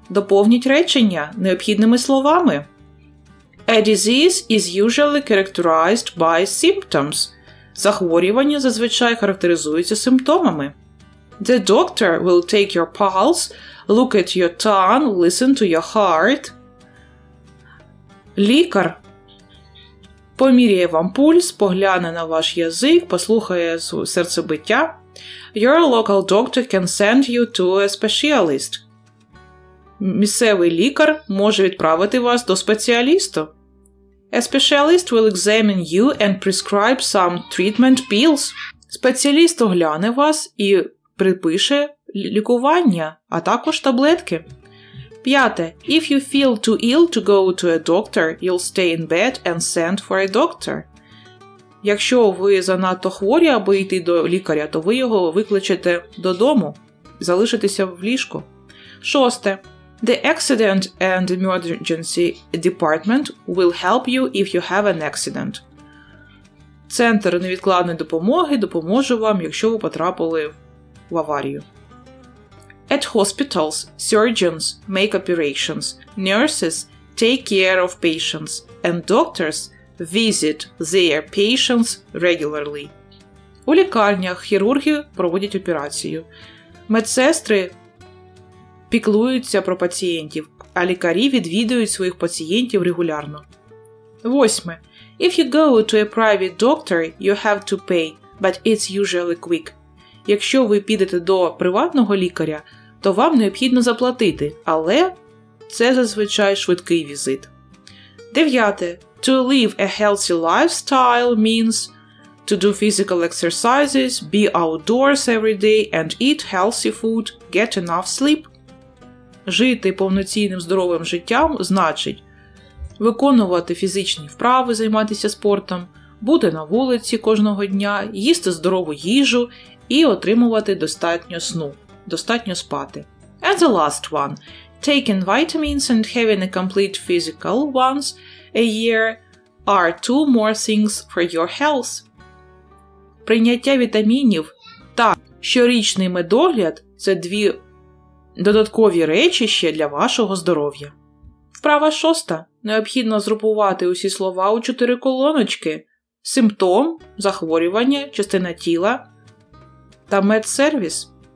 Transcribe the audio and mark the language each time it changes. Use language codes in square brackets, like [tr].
[uk] Доповніть речення необхідними словами. [en] A disease is usually characterized by symptoms. [uk] Захворювання зазвичай характеризується симптомами. [en] The doctor will take your pulse, look at your tongue, listen to your heart. [uk] Лікар поміряє вам пульс, погляне на ваш язик, послухає серцебиття. [en] Your local doctor can send you to a specialist. [uk] місцевий лікар може відправити вас до спеціаліста. [en] A specialist will examine you and prescribe some treatment pills. [uk] Спеціаліст огляне вас і припише лікування, а також таблетки. П'яте. [en] If you feel too ill to go to a doctor, you'll stay in bed and send for a doctor. [uk] Якщо ви занадто хворі, аби йти до лікаря, то ви його викличете додому, залишитеся в ліжку. Шосте. [en] The accident and emergency department will help you if you have an accident. [uk] Центр невідкладної допомоги допоможе вам, якщо ви потрапили в аварію. [en] At hospitals, surgeons make operations, nurses take care of patients, and doctors visit their patients regularly. [uk] У лікарнях хірурги проводять операцію. Медсестри піклуються про пацієнтів, а лікарі відвідують своїх пацієнтів регулярно. Восьме. [en] If you go to a private doctor, you have to pay, but it's usually quick. [uk] Якщо ви підете до приватного лікаря, то вам необхідно заплатити, але це зазвичай швидкий візит. Дев'яте. [en] To live a healthy lifestyle means to do physical exercises, be outdoors every day and eat healthy food, get enough sleep. [uk] Жити повноцінним здоровим життям значить виконувати фізичні вправи, займатися спортом, бути на вулиці кожного дня, їсти здорову їжу і отримувати достатньо сну, достатньо спати. [en] And the last one. Taking vitamins and having a complete physical once a year are two more things for your health. [uk] Прийняття вітамінів та щорічний медогляд – це дві додаткові речі ще для вашого здоров'я. Вправа шоста. Необхідно згрупувати усі слова у чотири колоночки. Симптом, захворювання, частина тіла та медсервіс.